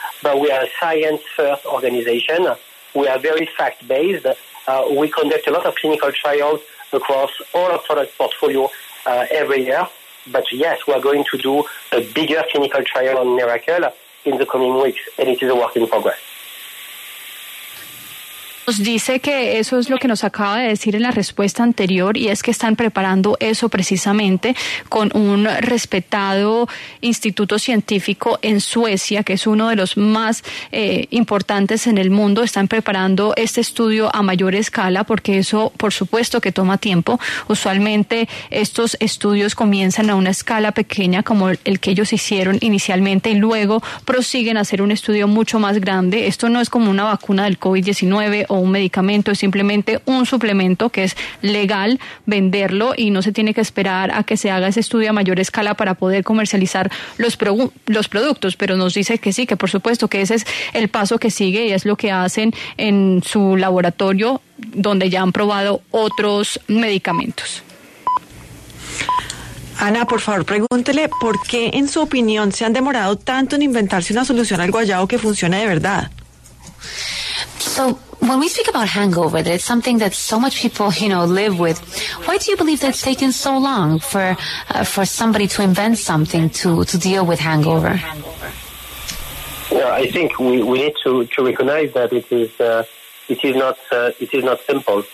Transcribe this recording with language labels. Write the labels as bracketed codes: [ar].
[en] But we are a science-first organization. We are very fact-based. We conduct a lot of clinical trials across all our product portfolio every year. But yes, we are going to do a bigger clinical trial on Miracle in the coming weeks, and it is a work in progress. [es] Nos dice que eso es lo que nos acaba de decir en la respuesta anterior y es que están preparando eso precisamente con un respetado instituto científico en Suecia, que es uno de los más importantes en el mundo. Están preparando este estudio a mayor escala porque eso, por supuesto, que toma tiempo. Usualmente estos estudios comienzan a una escala pequeña como el que ellos hicieron inicialmente y luego prosiguen a hacer un estudio mucho más grande. Esto no es como una vacuna del COVID-19 o un medicamento, es simplemente un suplemento que es legal venderlo y no se tiene que esperar a que se haga ese estudio a mayor escala para poder comercializar los productos. Pero nos dice que sí, que por supuesto que ese es el paso que sigue y es lo que hacen en su laboratorio donde ya han probado otros medicamentos. Ana, por favor, pregúntele por qué, en su opinión, se han demorado tanto en inventarse una solución al guayabo que funcione de verdad. [en] When we speak about hangover, that it's something that so much people, you know, live with, why do you believe that's taken so long for somebody to invent something to deal with hangover? Yeah, I think we need to recognize that it is not simple.